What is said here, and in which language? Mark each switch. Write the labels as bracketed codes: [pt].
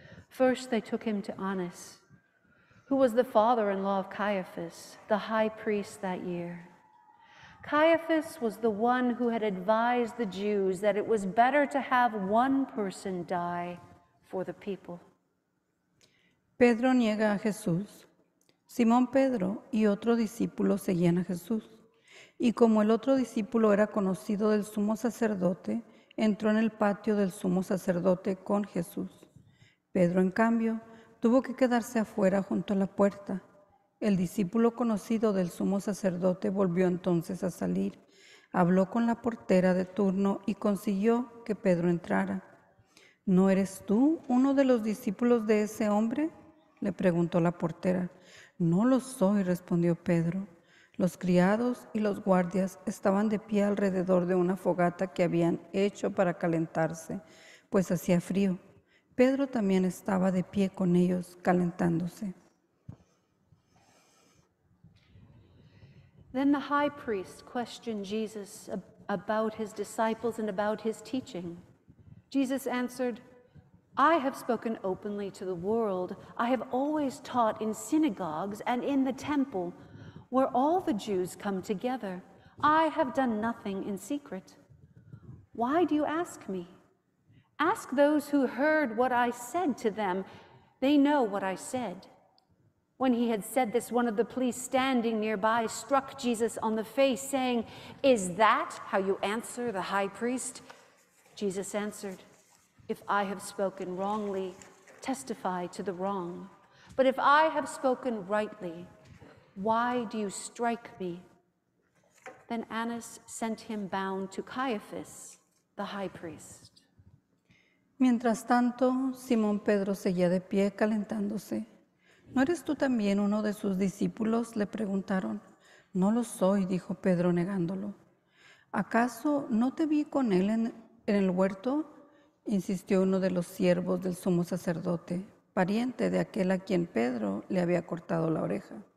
[en] First, they took him to Annas, who was the father-in-law of Caiaphas, the high priest that year. Caiaphas was the one who had advised the Jews that it was better to have one person die for the people. [es] Pedro niega a Jesús. Simón Pedro y otro discípulo seguían a Jesús. Y como el otro discípulo era conocido del sumo sacerdote, entró en el patio del sumo sacerdote con Jesús. Pedro, en cambio, tuvo que quedarse afuera junto a la puerta. El discípulo conocido del sumo sacerdote volvió entonces a salir. Habló con la portera de turno y consiguió que Pedro entrara. ¿No eres tú uno de los discípulos de ese hombre?, le preguntó la portera. No lo soy, respondió Pedro. Los criados y los guardias estaban de pie alrededor de una fogata que habían hecho para calentarse, pues hacía frío. Pedro también estaba de pie con ellos, calentándose. [en] Then the high priest questioned Jesus about his disciples and about his teaching. Jesus answered, I have spoken openly to the world. I have always taught in synagogues and in the temple, where all the Jews come together. I have done nothing in secret. Why do you ask me? Ask those who heard what I said to them. They know what I said. When he had said this, one of the police standing nearby struck Jesus on the face, saying, Is that how you answer the high priest? Jesus answered, If I have spoken wrongly, testify to the wrong. But if I have spoken rightly, why do you strike me? Then Annas sent him bound to Caiaphas, the high priest. [es] Mientras tanto, Simón Pedro seguía de pie calentándose. ¿No eres tú también uno de sus discípulos? Le preguntaron. No lo soy, dijo Pedro negándolo. ¿Acaso no te vi con él en el huerto? Insistió uno de los siervos del sumo sacerdote, pariente de aquel a quien Pedro le había cortado la oreja.